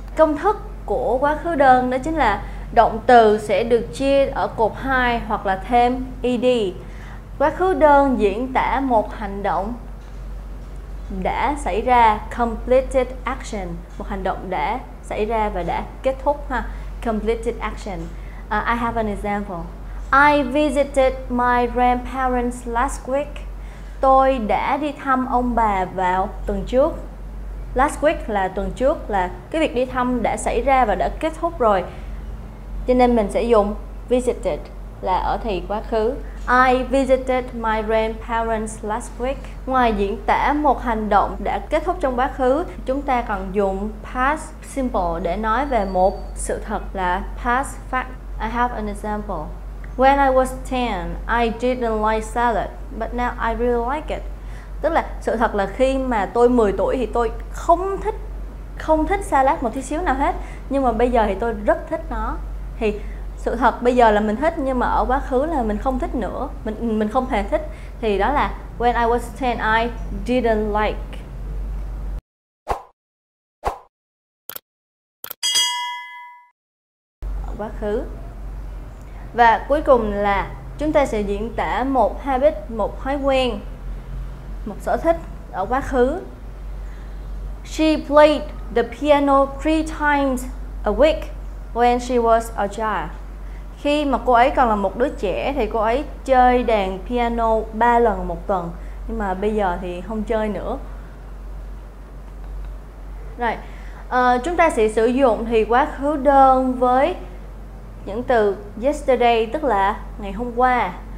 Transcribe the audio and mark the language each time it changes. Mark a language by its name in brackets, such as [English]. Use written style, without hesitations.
[Vietnamese] Công thức của quá khứ đơn đó chính là động từ sẽ được chia ở cột 2 hoặc là thêm ed. Quá khứ đơn diễn tả một hành động đã xảy ra, [English] completed action, [Vietnamese] một hành động đã xảy ra và đã kết thúc ha, completed action. [English] I have an example. I visited my grandparents last week. [Vietnamese] Tôi đã đi thăm ông bà vào tuần trước. Last week là tuần trước, là cái việc đi thăm đã xảy ra và đã kết thúc rồi. Cho nên mình sẽ dùng visited là ở thì quá khứ. [English] I visited my grandparents last week. [Vietnamese] Ngoài diễn tả một hành động đã kết thúc trong quá khứ, chúng ta còn dùng past simple để nói về một sự thật là past fact. [English] I have an example. When I was 10, I didn't like salad, but now I really like it. [Vietnamese] Tức là sự thật là khi mà tôi 10 tuổi thì tôi không thích salad một tí xíu nào hết, nhưng mà bây giờ thì tôi rất thích nó. Thì sự thật bây giờ là mình thích, nhưng mà ở quá khứ là mình không thích nữa, mình không hề thích. Thì đó là [English] when I was 10 I didn't like. [Vietnamese] Ở quá khứ. Và cuối cùng là chúng ta sẽ diễn tả một habit, một thói quen, một sở thích ở quá khứ. [English] She played the piano 3 times a week when she was a child. [Vietnamese] Khi mà cô ấy còn là một đứa trẻ thì cô ấy chơi đàn piano 3 lần một tuần, nhưng mà bây giờ thì không chơi nữa. Rồi, chúng ta sẽ sử dụng thì quá khứ đơn với những từ yesterday, tức là ngày hôm qua.